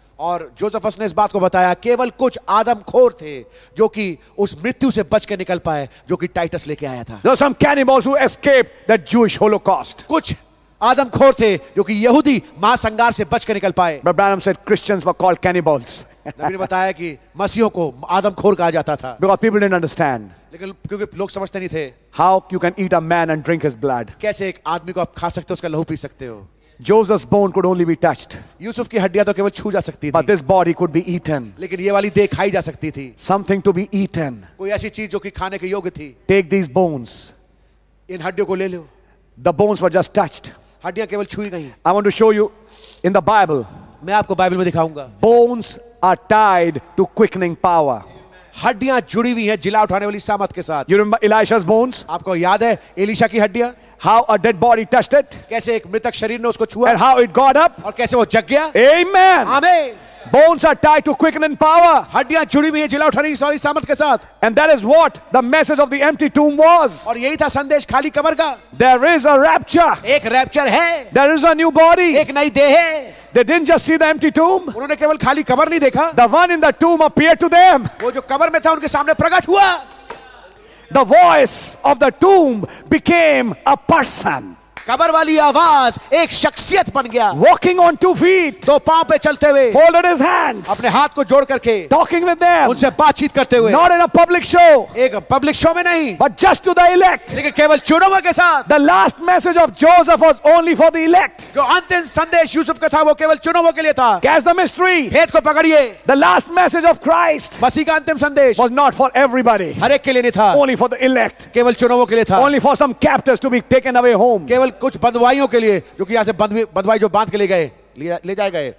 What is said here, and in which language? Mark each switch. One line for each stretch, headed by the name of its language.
Hindi: और Josephus ने इस बात को बताया केवल कुछ आदमखोर थे जो कि उस मृत्यु से बच के निकल पाए जो कि टाइटस लेके आया था.
English: There were some cannibals who escaped that Jewish Holocaust.
Hindi: कुछ आदमखोर थे जो कि यहूदी महासंगार से बच के निकल पाए.
English: But Branham said Christians were called cannibals.
Hindi: नबी ने बताया कि मसीहों को आदमखोर कहा जाता था.
English: Because people didn't understand.
Hindi: लेकिन क्योंकि लोग समझते नहीं थे.
English: How you can eat a man and drink his blood.
Hindi: कैसे एक आदमी को आप खा सकते हो उसका लहू पी सकते हो.
English: Joseph's bone could only be touched.
Hindi: Yusuf की हड्डियां तो केवल छू जा सकती थी.
English: But this body could be eaten.
Hindi: लेकिन ये वाली देह खाई जा सकती थी.
English: Something to be eaten.
Hindi: कोई ऐसी चीज जो कि खाने के योग्य थी.
English: Take these bones.
Hindi: इन हड्डियों को ले लो.
English: The bones were just touched.
Hindi: हड्डियां केवल छुई गई.
English: I want to show you in the Bible.
Hindi: मैं आपको बाइबल में दिखाऊंगा.
English: Bones are tied to quickening power.
Hindi: हड्डियां जुड़ी हुई हैं जिला उठाने वाली सामर्थ्य के साथ.
English: You remember Elisha's bones?
Hindi: आपको याद है एलिशा की हड्डियां?
English: How a dead body touched it?
Hindi: कैसे एक मृतक शरीर ने उसको छुआ?
English: And how it got up?
Hindi: और कैसे वो जग गया?
English: Amen. Amen. Bones are tied to quickening power.
Hindi: हड्डियां जुड़ी हुई हैं जिला उठाने की सारी सामर्थ्य के साथ.
English: And that is what the message of the empty tomb was.
Hindi: और यही था संदेश खाली कब्र का.
English: There is a rapture.
Hindi: एक रैप्चर है.
English: There is a new body.
Hindi: एक नई देह है.
English: They didn't just see the empty tomb.
Hindi: उन्होंने केवल खाली कब्र नहीं देखा.
English: The one in the tomb appeared to them.
Hindi: वो जो कब्र में था उनके सामने प्रकट हुआ.
English: The voice of the tomb became a person.
Hindi: कब्र वाली आवाज एक शख्सियत बन गया.
English: Walking on two feet.
Hindi: दो पांव पे चलते हुए.
English: Folded his hands.
Hindi: अपने हाथ को जोड़ करके.
English: Talking with them.
Hindi: उनसे बातचीत करते हुए.
English: Not in a public show.
Hindi: एक पब्लिक शो में नहीं.
English: But just to the elect.
Hindi: लेकिन केवल चुने हुए के साथ.
English: The last message of Joseph was only for the elect.
Hindi: जो अंतिम संदेश यूसुफ का था वो केवल चुने हुए के लिए था.
English: Catch the mystery.
Hindi: भेद को पकड़िए.
English: The last message of Christ.
Hindi: मसीह का अंतिम संदेश.
English: Was not for everybody.
Hindi: हर एक के लिए नहीं था.
English: Only for the elect.
Hindi: केवल चुने हुए के लिए था.
English: Only for some captives to be taken away home.
Hindi: केवल कुछ बंधुवाइयों के लिए जो कि यहां से बंधुवाई जो बांध के ले गए ले जाए गए.